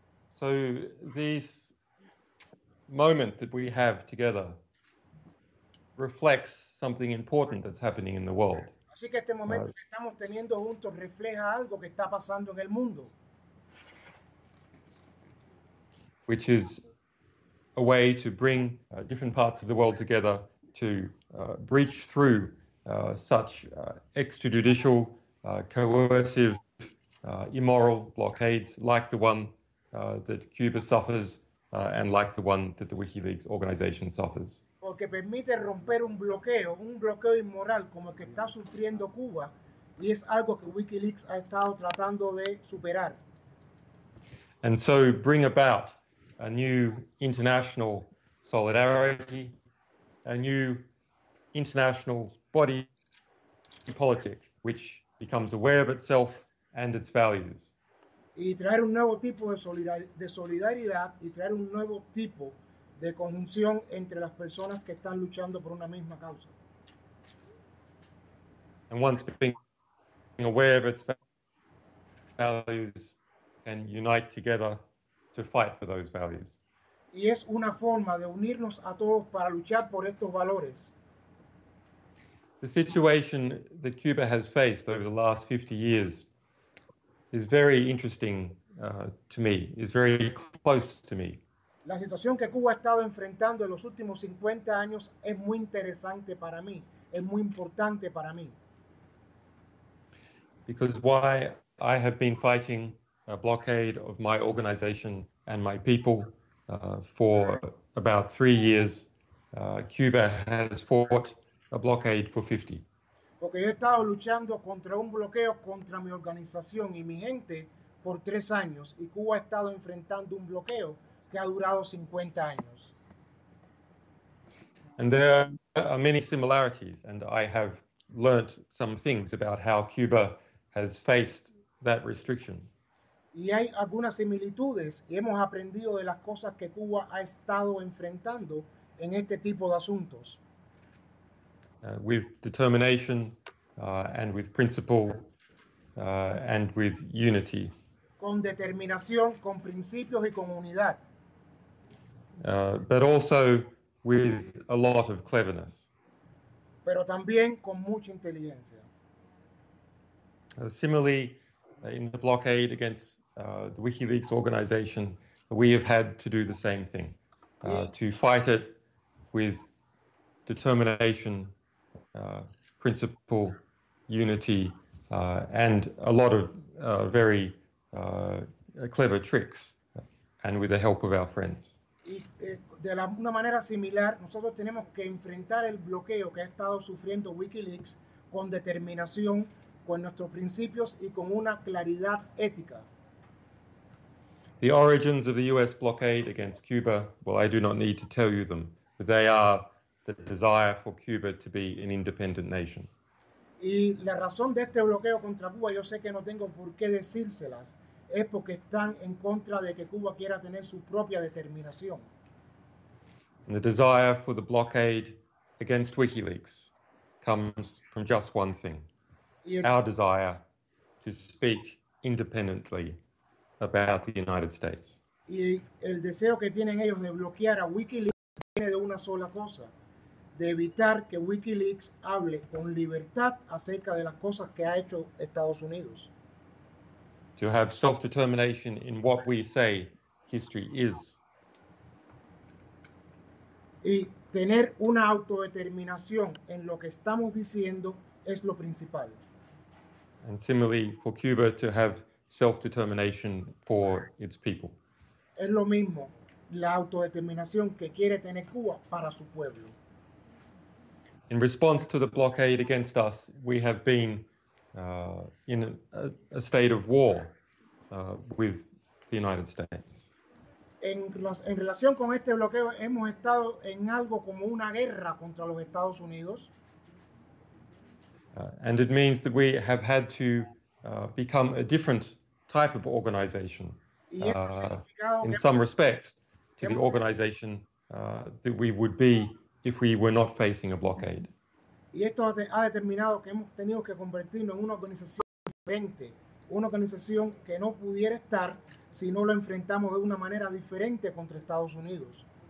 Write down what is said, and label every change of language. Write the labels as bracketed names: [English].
[English] So this moment that we have together reflects something important that's happening in the world. [Spanish] Así que este momento que estamos teniendo juntos refleja algo que está pasando en el mundo. [English] Which is a way to bring different parts of the world together to breach through such extrajudicial, coercive, immoral blockades like the one that Cuba suffers and like the one that the WikiLeaks organization suffers. [Spanish] Porque permite romper un bloqueo inmoral como el que está sufriendo Cuba, y es algo que WikiLeaks ha estado tratando de superar. [English] And so bring about a new international solidarity, a new international body politic, which becomes aware of itself and its values. [Spanish] Y traer un nuevo tipo de solidaridad y traer un nuevo tipo de conjunción entre las personas que están luchando por una misma causa. [English] And once being aware of its values and unite together to fight for those values. [Spanish] Y es una forma de unirnos a todos para luchar por estos valores. [English] The situation that Cuba has faced over the last 50 years is very interesting to me, is very close to me. [Spanish] La situación que Cuba ha estado enfrentando en los últimos 50 años es muy interesante para mí, es muy importante para mí. [English] Because why I have been fighting a blockade of my organization and my people for about 3 years, Cuba has fought a blockade for 50. [Spanish] Porque yo he estado luchando contra un bloqueo contra mi organización y mi gente por 3 años y Cuba ha estado enfrentando un bloqueo que ha durado 50 años. [English] And there are many similarities, and I have learned some things about how Cuba has faced that restriction. [Spanish] Y hay algunas similitudes y hemos aprendido de las cosas que Cuba ha estado enfrentando en este tipo de asuntos. [English] With determination and with principle and with unity. [Spanish] Con determinación, con principios y con unidad. [English] But also with a lot of cleverness. [Spanish] Pero también con mucha inteligencia. [English] Similarly, in the blockade against the WikiLeaks organization, we have had to do the same thing, to fight it with determination, principle, unity, and a lot of very clever tricks, and with the help of our friends. [Spanish] Y de una manera similar, nosotros tenemos que enfrentar el bloqueo que ha estado sufriendo WikiLeaks con determinación, con nuestros principios y con una claridad ética. [English] The origins of the US blockade against Cuba, well, I do not need to tell you them, but they are the desire for Cuba to be an independent nation. [Spanish] Y la razón de este bloqueo contra Cuba, yo sé que no tengo por qué decírselas, es porque están en contra de que Cuba quiera tener su propia determinación. [English] And the desire for the blockade against WikiLeaks comes from just one thing. Our desire to speak independently about the United States. [Spanish] Y el deseo que tienen ellos de bloquear a WikiLeaks viene de una sola cosa, de evitar que WikiLeaks hable con libertad acerca de las cosas que ha hecho Estados Unidos. [English] To have self-determination in what we say history is. [Spanish] Y tener una autodeterminación en lo que estamos diciendo es lo principal. [English] And similarly, for Cuba to have self-determination for its people. [Spanish] Es lo mismo la autodeterminación que quiere tener Cuba para su pueblo. [English] In response to the blockade against us, we have been in a state of war with the United States. [Spanish] En relación con este bloqueo, hemos estado en algo como una guerra contra los Estados Unidos. [English] And it means that we have had to become a different type of organization in some respects to the organization that we would be if we were not facing a blockade. [Spanish] Y esto ha determinado que hemos tenido que convertirnos en una organización diferente, una organización que no pudiera estar si no lo enfrentamos de una manera diferente contra Estados Unidos.